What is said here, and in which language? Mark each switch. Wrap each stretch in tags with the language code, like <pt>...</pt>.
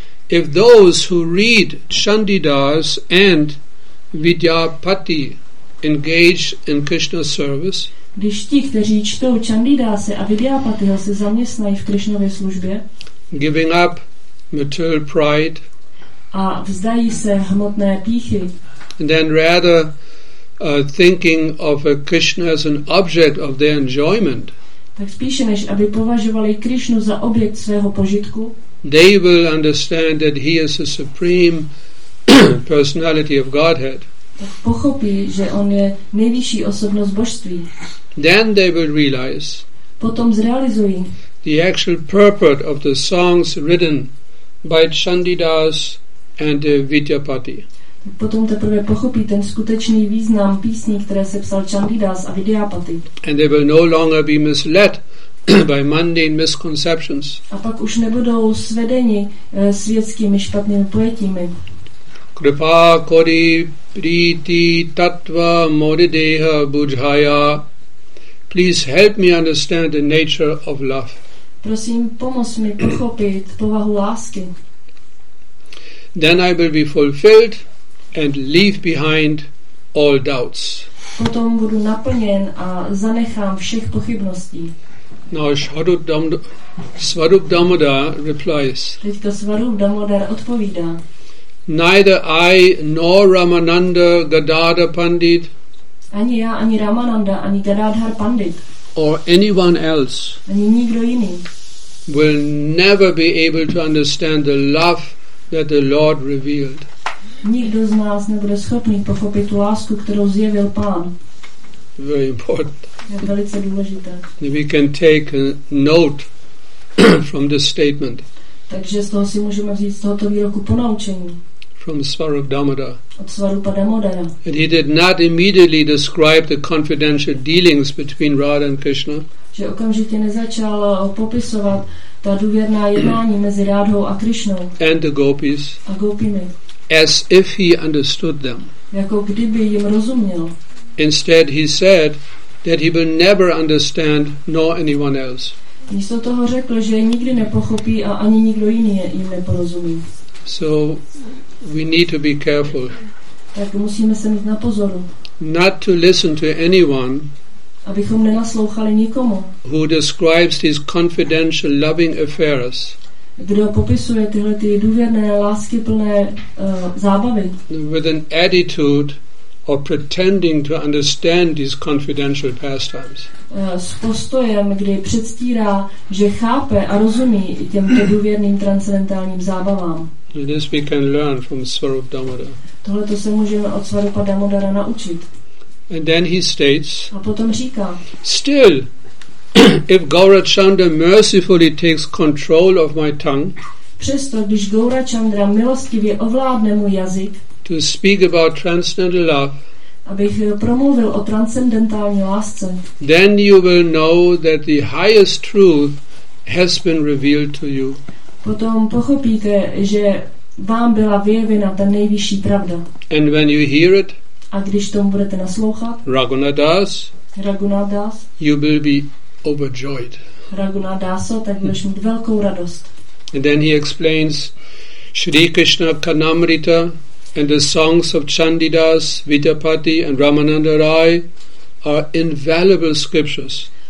<en>If those who read Chandidas and Vidyapati engage in Krishna service,</en> <cs>když ti, kteří čtou Chandidase a Vidyapatiho, se zaměstnají v Krishnově službě,</cs> <en>giving up material pride,</en> <cs>a vzdají se hmotné pýchy,</cs> <en>and then rather thinking of a Krishna as an object of their enjoyment,</en> <cs>tak spíše než aby považovali Krishnu za objekt svého požitku,</cs> <en>they will understand that he is a supreme personality of Godhead.</en> <cs>Tak pochopí, že on je nejvyšší osobnost božství.</cs> <en>Then they will realize.</en> <cs>Potom zrealizují.</cs> <en>The actual purport of the songs written by Chandidas and Vidyapati.</en> <cs>Potom teprve pochopí ten skutečný význam písní, které se psal Chandidas a Vidyapati.</cs> <en>And they will no longer be misled by mundane misconceptions.</en> <cs>A pak už nebudou svedeni světskými špatnými pojetími.</cs> <bn>Kripa kori priti tatva moridehe bujhaya</bn> <en>Please help me understand the nature of love.</en> <cs>Prosím, pomoz mi pochopit povahu lásky.</cs> <en>Then I will be fulfilled and leave behind all doubts.</en> <cs>Potom budu naplněn a zanechám všech pochybností.</cs> <en>Now Svarup Damodar replies.</en> <cs>Teďka Svarup Damodar odpovídá.</cs> <en>Neither I nor Ramananda Gadadhar Pandit.</en> <cs>Ani já, ani Ramananda, ani Gadadhar Pandit.</cs> <en>Or anyone else.</en> <cs>Ani nikdo jiný.</cs> <en>Will never be able to understand the love that the Lord revealed.</en> <cs>Nikdo z nás nebude schopný pochopit tu lásku, kterou zjevil Pán.</cs> <en>Very important.</en> <cs>Je velice důležité.</cs> <en>We can take a note from this statement.</en> <cs>Takže z toho si můžeme vzít z tohoto výroku ponaučení.</cs> <en>From Svarup Damodar.</en> <cs>Od Svarupa Damodara.</cs> <en>And he did not immediately describe the confidential dealings between Radha and Krishna.</en> <cs>Že okamžitě nezačal popisovat ta důvěrná jednání mezi Rádhou a Krišnou.</cs> <en>And the gopis.</en> <cs>A gopimi.</cs> <en>As if he understood them.</en> <cs>Jako kdyby jim rozuměl.</cs> <en>Instead he said that he will never understand nor anyone else.</en> <cs>Místo toho řekl, že nikdy nepochopí a ani nikdo jiný jim neporozumí.</cs> <en>So we need to be careful.</en> <cs>Tak musíme se mít na pozoru.</cs> <en>Not to listen to anyone.</en> <cs>Abychom nenaslouchali nikomu.</cs> <en>Who describes these confidential loving affairs.</en> <cs>Kdo popisuje tyhle ty důvěrné lásky plné zábavy.</cs> <en>With an attitude or pretending to understand these confidential pastimes.</en> <cs>S postojem, kdy předstírá, že chápe a rozumí těmto důvěrným transcendentálním zábavám.</cs> <en>This we can learn from Svarup Damodar.</en> <cs>Tohle to se můžeme od Svarupa Damodara naučit.</cs> <en>And then he states.</en> <cs>A potom říká.</cs> <en>Still, if Gaurachandra mercifully takes control of my tongue.</en> <cs>Přesto, když Gaurachandra milostivě ovládne můj jazyk.</cs> <en>To speak about transcendental love.</en> <cs>Abych promluvil o transcendentální lásce.</cs> <en>Then you will know that the highest truth has been revealed to you.</en> <cs>Potom pochopíte, že vám byla vyjevena ta nejvyšší pravda.</cs> <en>And when you hear it.</en> <cs>A když tomu budete naslouchat.</cs> <en>Raghunadas. You will be overjoyed.</en> <cs>Raghunadaso, tak budeš mít velkou radost.</cs> <en>And then he explains Shri Krishna Kanamrita and the songs of Chandidas, Vidyapati and Ramananda Rai are invaluable scriptures.</en>